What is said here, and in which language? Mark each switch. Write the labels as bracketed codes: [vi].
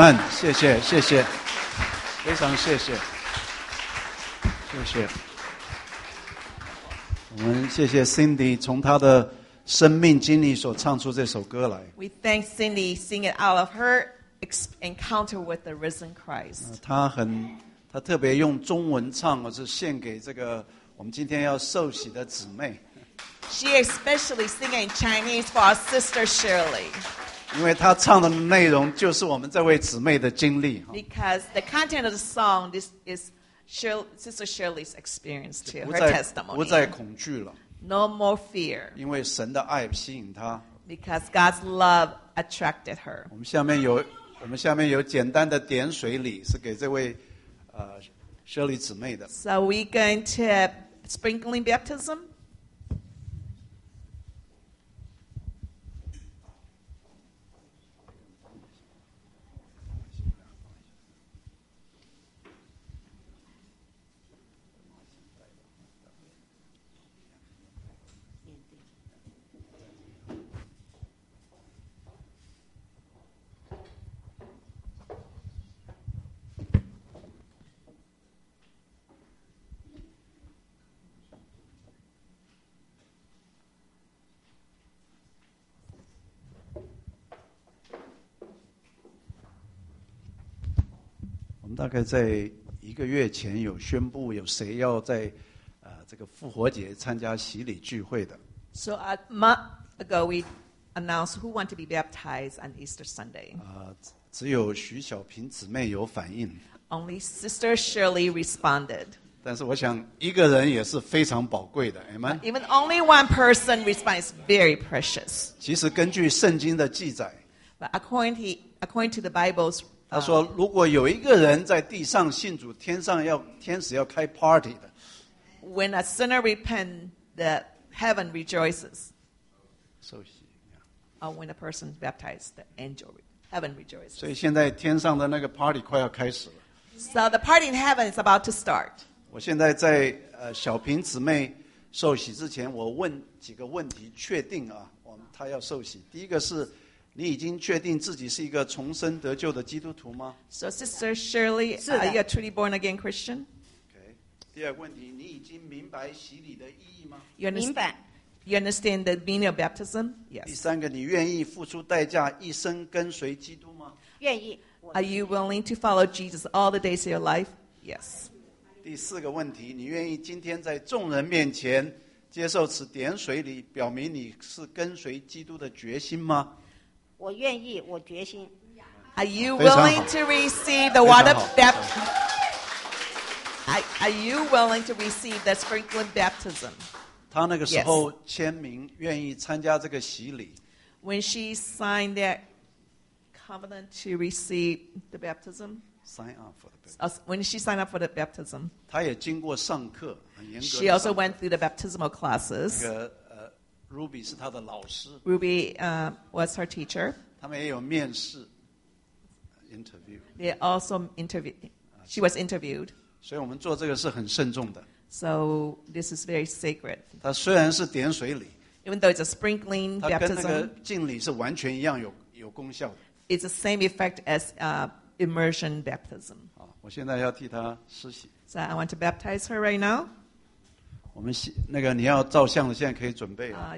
[zh] 谢谢谢谢，非常谢谢谢谢我们，谢谢 Cindy 从她的生命经历所唱出这首歌来。 [en] We thank Cindy sing it out of her encounter with the risen Christ. [zh] 她特别用中文唱，是献给这个我们今天要受洗的姊妹。 [en] She especially sing in Chinese for our sister Shirley. [zh] 因为他唱的内容就是我们这位姊妹的经历。 [en] Because the content of the song, this is Sister Shirley's experience too, her testimony. [zh] 不再恐惧了。 [en] No more fear. [zh] 因为神的爱吸引她。 [en] Because God's love attracted her. [zh] 我们下面有简单的点水礼是给这位Shirley姊妹的。 [en] So we going to sprinkling baptism? [zh] 大概在一个月前有宣布有谁要在这个复活节参加洗礼聚会的。 [en] So a month ago we announced who want to be baptized on Easter Sunday. [zh] 只有徐小平姊妹有反应。 [en] Only Sister Shirley responded. [zh] 但是我想一个人也是非常宝贵的 ，Amen. [en] Even only one person responds very precious. [zh] 其实根据圣经的记载 [en] ，But according to the Bible's, [zh] 他说如果有一个人在地上信主，天使要开 party 的。 [en] When a sinner repent, the heaven rejoices. So he, yeah. When a person baptized, the angel heaven rejoices. [zh] 所以现在天上的那个 party 快要开始了。 [en] So the party in heaven is about to start. [zh] 我现在在小平姊妹受洗之前，我问几个问题，确定啊，她要受洗。第一个是，你已经确定自己是一个重生得救的基督徒吗 [en] ？So Sister Shirley, are you a truly born again Christian? [zh] 第二个问题，你已经明白洗礼的意义吗？明白。 [en] You understand the meaning of baptism? Yes. [zh] 第三个，你愿意付出代价一生跟随基督吗？愿意。 [en] Are you willing to follow Jesus all the days of your life? Yes. [zh] 第四个问题，你愿意今天在众人面前接受此点水礼，表明你是跟随基督的决心吗？我愿意，我决心。 [en] Are you willing to receive the water baptism? Are you willing to receive the sprinkling baptism? [zh] 她那个时候签名愿意参加这个洗礼。 [en] When she signed that covenant to receive the baptism? Sign up for the baptism. When she signed up for the baptism. [zh] 她也经过上课，很严格的上课。 [en] She also went through the baptismal classes. [zh] 那个Ruby 是她的老师。 [en] Ruby was her teacher. [zh] 他们也有面试 interview. [en] They also interviewed. She was interviewed. [zh] 所以我们做这个是很慎重的。 [en] So this is very sacred. [zh] 它虽然是点水礼 [en] ，even though it's a sprinkling baptism, [zh] 它跟那个浸礼是完全一样有功效的。 [en] It's the same effect as immersion baptism. [zh] 我现在要替她施洗。 [en] So I want to baptize her right now. [zh] 我们那个你要照相的，现在可以准备了。